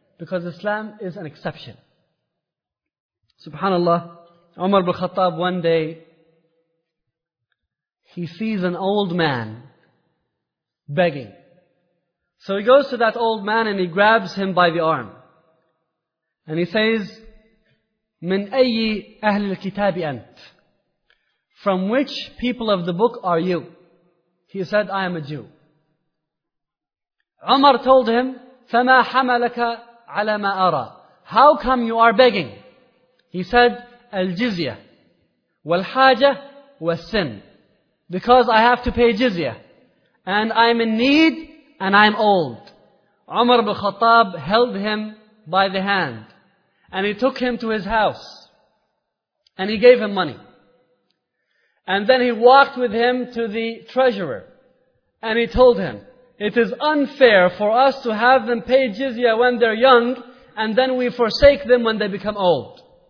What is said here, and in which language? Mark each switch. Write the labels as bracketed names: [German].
[English] Because Islam is an exception. SubhanAllah, Umar ibn Khattab one day, he sees an old man begging. So he goes to that old man and he grabs him by the arm. And he says, [Arabic] مِنْ أَيِّ أَهْلِ الْكِتَابِ أَنْتَ. [English] From which people of the book are you? He said, I am a Jew. Umar told him, [Arabic] فَمَا حَمَلَكَ عَلَى مَا أَرَى. [English] How come you are begging? He said, [Arabic] الجزية والحاجة والسن. [English] Because I have to pay jizya. And I'm in need and I'm old. Umar ibn Khattab held him by the hand. And he took him to his house. And he gave him money. And then he walked with him to the treasurer. And he told him, it is unfair for us to have them pay jizya when they're young and then we forsake them when they become old.